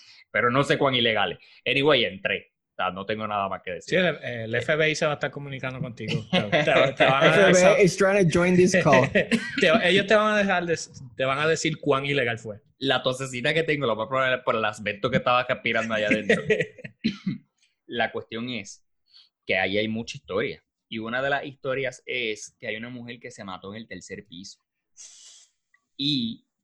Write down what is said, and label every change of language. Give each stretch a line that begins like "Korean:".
Spanish: Pero no sé cuán ilegales. Anyway, entré. No tengo nada más que decir. Sí, el FBI se va a estar comunicando contigo.
English: FBI is trying to join this call.
Spanish: Ellos te van a decir cuán ilegal fue. La tosecita que tengo, lo voy a probar por el asbesto que estaba respirando allá adentro. La cuestión es que ahí hay mucha historia. Y una de las historias es que hay una mujer que se mató en el tercer piso. Y